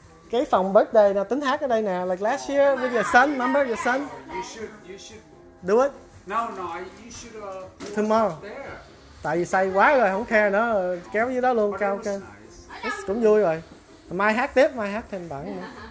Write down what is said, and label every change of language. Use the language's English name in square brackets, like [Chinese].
[Vietnamese] Cái phòng birthday nè, tính hát ở đây nè. [English] Like last year with your son, remember your son? You should. Do it. No, you should. Tomorrow. [Vietnamese] Tại vì say quá rồi không khe nữa, kéo dưới đó luôn, cao cao. It's cũng vui rồi. Mai hát tiếp, mai hát thêm bản nữa.